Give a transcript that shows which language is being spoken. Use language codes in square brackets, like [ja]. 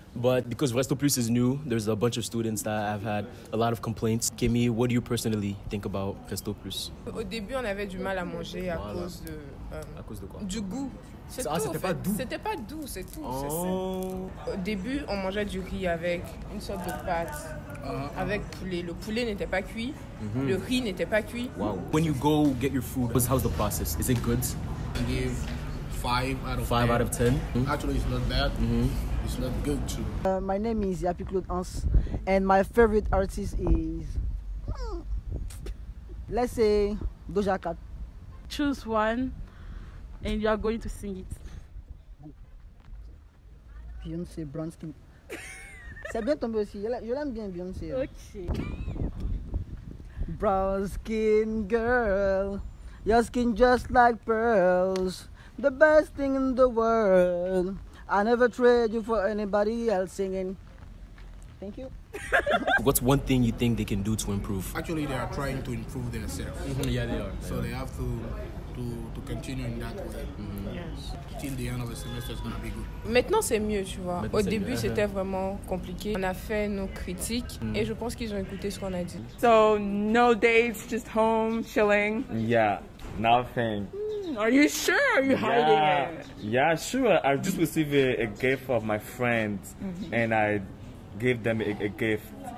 [en] But because Resto Plus is new, there's a bunch of students that have had a lot of complaints. Kimi, what do you personally think about Resto Plus? [fr] Au début, on avait du mal à manger à cause de à cause de quoi? Du goût. C'est ça, tout, c'était pas doux. C'était pas doux, c'est tout. Oh. C'est... Au début, on mangeait du riz avec une sorte de pâte avec poulet. Le poulet n'était pas cuit. Mm-hmm. Le riz n'était pas cuit. Wow. [en] When you go get your food, how's the process? Is it good? I gave 5 out of 10. 5 out of 10. Mm-hmm. Actually, it's not bad. Mm-hmm. It's not good too. My name is Yapi Claude Hans and my favorite artist is, let's say, Doja Cat. Choose one and you are going to sing it. [fr] Beyoncé Brownskin. C'est bien tombé aussi. Je l'aime bien Beyoncé. [en] Okay. Brown skin girl, your skin just like pearls, the best thing in the world. I never trade you for anybody else singing. Thank you. What's one thing you think they can do to improve? Actually, they are trying to improve themselves. Mm-hmm. Yeah, they are. So they have to continue in that way. Mm-hmm. Yes. Till the end of the semester is going to be good. [fr] Maintenant, c'est mieux, tu vois. Au début, c'était vraiment compliqué. On a fait nos critiques et je pense qu'ils ont écouté ce qu'on a dit. [en] So, no dates, just home, chilling? Yeah, nothing. Are you sure? Are you hiding it? Yeah, sure. I just received a gift of my friend and I gave them a gift.